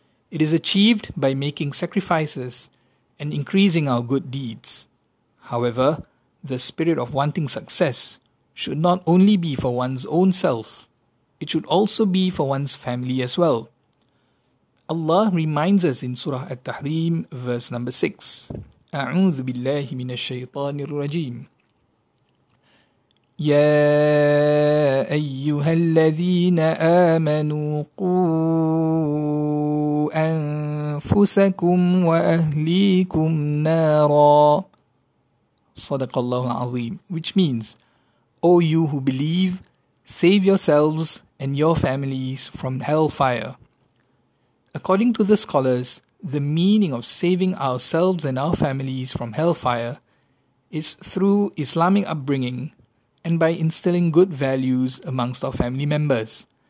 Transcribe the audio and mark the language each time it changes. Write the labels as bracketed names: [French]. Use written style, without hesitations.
[English] It is achieved by making sacrifices and increasing our good deeds. However, the spirit of wanting success should not only be for one's own self, it should also be for one's family as well. Allah reminds us in Surah At-Tahrim, verse number 6. [Arabic] أعوذ بالله من الشيطان الرجيم. يا أيها الذين آمنوا قوا أنفسكم وأهليكم نارا. صدق الله العظيم. [English] Which means, O you who believe, save yourselves and your families from hellfire. According to the scholars, the meaning of saving ourselves and our families from hellfire is through Islamic upbringing and by instilling good values amongst our family members.